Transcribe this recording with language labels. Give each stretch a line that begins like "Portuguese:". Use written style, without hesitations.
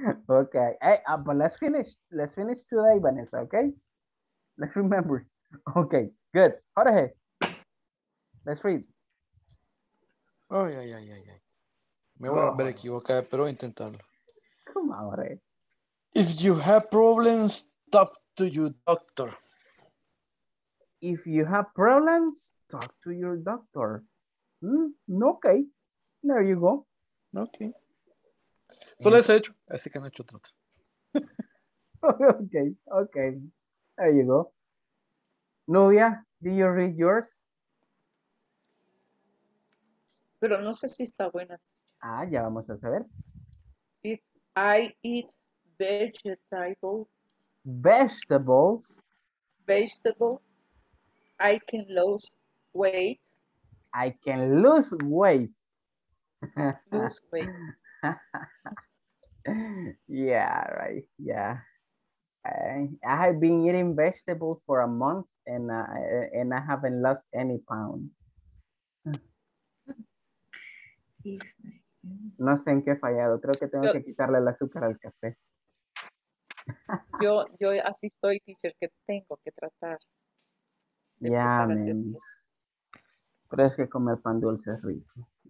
English: Okay. Hey, but let's finish. Let's finish today, Vanessa, okay? Let's remember. Okay, good. Jorge. Let's read. Ay, ay, ay, ay, ay.
Spanish: Me voy a volver a equivocar, pero voy a intentarlo.
English: Come on, Jorge. If you have problems, talk to your doctor. If you have problems, talk to your doctor. Okay. There you go.
Spanish: Okay. Solo ese hecho. Así que no he hecho otro.
English: Okay. Okay. There you go. Nubia, do you read yours?
Spanish: Pero no sé si está buena. Ah, ya vamos a saber.
English: If I eat vegetables. Vegetables. Vegetables. I can lose weight. I can lose weight. Lose weight. Yeah, right. Yeah. I have been eating vegetables for a month and I haven't lost any pound.
Spanish: No sé en qué he fallado. Creo que tengo que quitarle el azúcar al café. Yo así estoy, teacher, que tengo que tratar. Ya, pero es que comer pan dulce es rico.